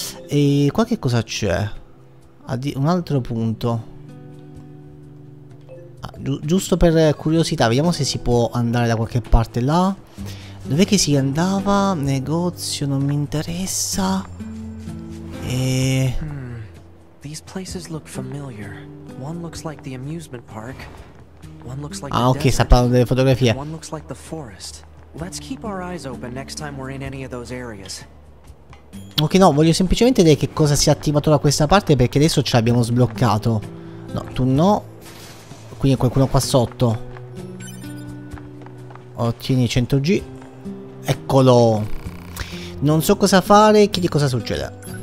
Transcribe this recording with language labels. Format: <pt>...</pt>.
<it>E qua che cosa c'è? Un altro punto. Giusto per curiosità, vediamo se si può andare da qualche parte là. Dov'è che si andava? Negozio, non mi interessa.</it> <en>These places look familiar. One looks like the amusement park. One looks like</en> <it>Ah, ok, sta parlando delle fotografie.</it> <en>One looks like the forest. Let's keep our eyes open next time we're in any of those areas.</en> <it>Ok, no, voglio semplicemente vedere che cosa si è attivato da questa parte, perché adesso ce l'abbiamo sbloccato. No, tu no. Quindi qualcuno qua sotto. Ottieni 100G. Eccolo. Non so cosa fare, chiedi cosa succede.</it>